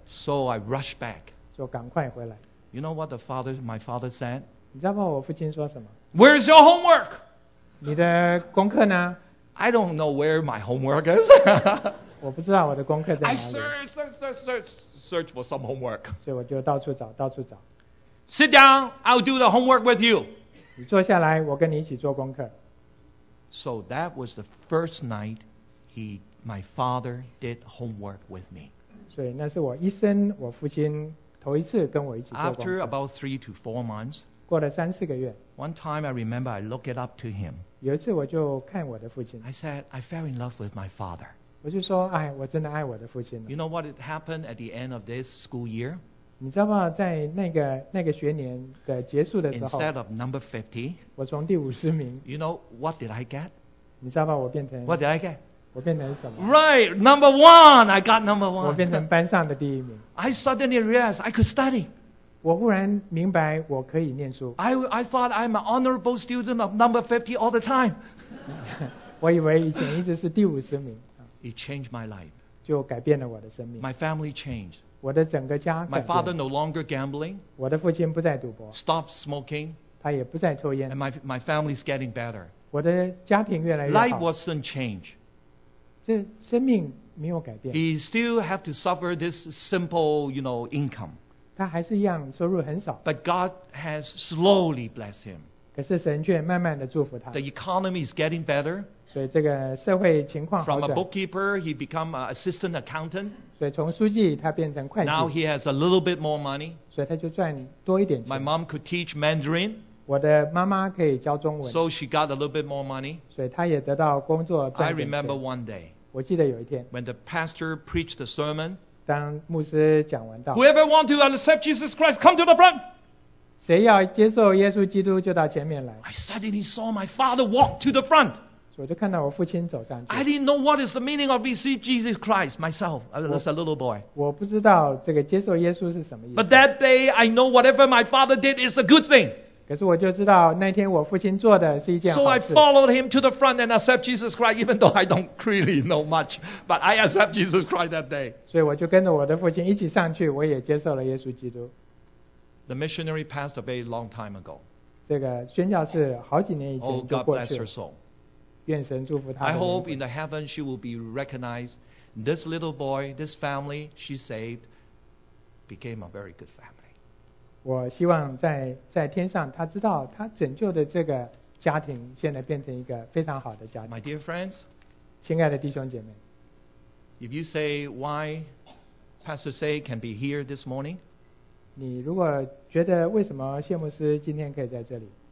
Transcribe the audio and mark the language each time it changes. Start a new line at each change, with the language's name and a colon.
English: So I rushed back
Chinese: 就赶快回来
English: You know what my father said?
Chinese: 你知道我父亲说什么
English: Where is your homework?
Chinese: 你的功课呢
English: I don't know where my homework is
Chinese: 我不知道我的功课在哪里
English: I search for some homework
Chinese: 所以我就到处找
English: Sit down, I'll do the homework with you
Chinese: 你坐下来我跟你一起做功课
English: So that was the first night heMy father did homework with me.
Chinese: 所以那是我一生我父亲头一次跟我一起做工作。
English: After about 3 to 4 months,
Chinese: 过了三四个月。
English: One time I remember I looked it up to him.
Chinese: 有一次我就看我的父亲。
English: I said, I fell in love with my father.
Chinese: 我就说，哎，我真的爱我的父亲了。
English: You know what happened at the end of this school year?
Chinese: 你知道吗？在那个学年的结束的时候。
English: Instead of number 50,
Chinese: 我从第五十名。
English: You know what did I get?
Chinese: 你知道吗？我变成。
English: What did I get?
Chinese: 我变成什么
English: ？Right, number one. I got number one.
Chinese: 我变成班上的第一名。
English: I suddenly realized I could study.
Chinese: 我忽然明白我可以念书。
English: I thought I'm an honorable student of number 50 all the time.
Chinese: 我以为以前一直是第五十名。
English: It changed my life.
Chinese: 就改变了我的生命。
English: My family changed.
Chinese: 我的整个家改变。
English: My father no longer gambling.
Chinese: 我的父亲不再赌博。
English: Stop smoking.
Chinese: 他也不再抽烟。
English: And my family's getting better.
Chinese: 我的家庭越来越好。
English: Life wasn't changed.
Chinese: 这生命没有改变。
English: He still have to suffer this simple, you know, income.
Chinese: 他还是一样收入很少。
English: But God has slowly blessed him.
Chinese: 可是神却慢慢地祝福他。
English: The economy is getting better.
Chinese: 所以这个社会情况好转。
English: From a bookkeeper, he become an assistant accountant.
Chinese: 所以从书记他变成会计。
English: Now he has a little bit more money.
Chinese: 所以他就赚多一点钱。
English: My mom could teach Mandarin.
Chinese: 我的妈妈可以教中文
English: so she got a little bit more money.
Chinese: 所以她也得到工作赚点钱
English: I remember one day.
Chinese: 我记得有一天
English: when the pastor preached the sermon.
Chinese: 当牧师讲完道
English: whoever want to accept Jesus Christ, come to the front.
Chinese: 谁要接受耶稣基督就到前面来
English: I suddenly saw my father walk to the front.
Chinese: 所以我就看到我父亲走上去
English: I didn't know what is the meaning of receive Jesus Christ myself as a little boy.
Chinese: 我不知道这个接受耶稣是什么意思
English: But that day, I know whatever my father did is a good thing.
Chinese: 可是我就知道那天我父亲做的是一件好事。
English: So I followed him to the front and accept Jesus Christ, even though I don't really know much, but I accept Jesus Christ that day.
Chinese: 所以我就跟着我的父亲一起上去，我也接受了耶稣基督。
English: The missionary passed away a long time ago.
Chinese: 这个宣教士好几年以前就过去了。
English: Oh, God bless her soul.
Chinese: 愿神祝福她。
English: I hope in the heaven she will be recognized. This little boy, this family she saved, became a very good family.
Chinese: 我希望 在天上他知道他拯救的这个家庭现在变成一个非常好的家庭
English: My dear friends
Chinese: 亲爱的弟兄姐妹
English: If you say why Pastor Say can be here this morning
Chinese: 你如果觉得为什么谢牧师今天可以在这里